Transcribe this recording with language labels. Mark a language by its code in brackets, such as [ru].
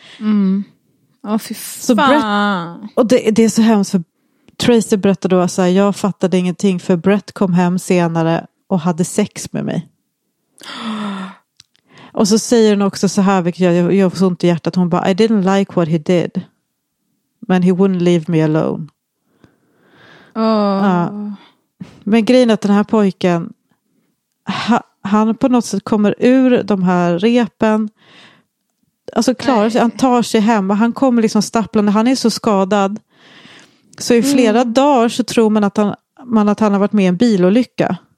[sv] Mm. Åh, fy fan. Så Brett, och det är så hemskt, för Tracy berättade då så här, jag fattade ingenting, för Brett kom hem senare och hade sex med mig. Och så säger hon också så här, vilket jag får så ont i hjärtat, hon bara, [en] I didn't like what he did. [sv] Men [en] he wouldn't leave me alone. Oh. [sv] Ja. Men grejen att den här pojken, han på något sätt kommer ur de här repen. Alltså klarar sig, han tar sig hem. Och han kommer liksom stapplande. Han är så skadad. Så i flera dagar så tror man att han har varit med i en bilolycka.